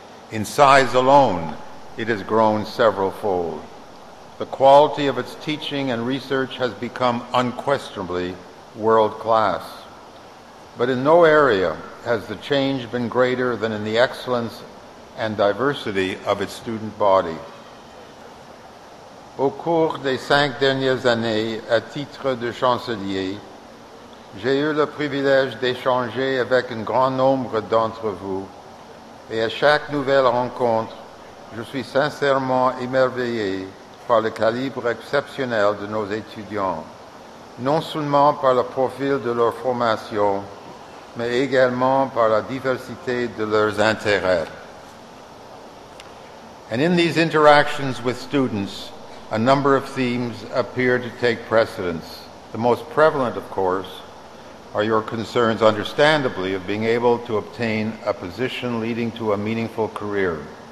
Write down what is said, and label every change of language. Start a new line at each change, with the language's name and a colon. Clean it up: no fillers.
English: In size alone, it has grown several fold. The quality of its teaching and research has become unquestionably world class. But in no area has the change been greater than in the excellence and diversity of its student body.
French: Au cours des cinq dernières années, à titre de chancelier, j'ai eu le privilège d'échanger avec un grand nombre d'entre vous, et à chaque nouvelle rencontre, je suis sincèrement émerveillé par le calibre exceptionnel de nos étudiants, non seulement par le profil de leur formation, mais également par la diversité de leurs intérêts.
English: And in these interactions with students, a number of themes appear to take precedence. The most prevalent, of course, are your concerns, understandably, of being able to obtain a position leading to a meaningful career.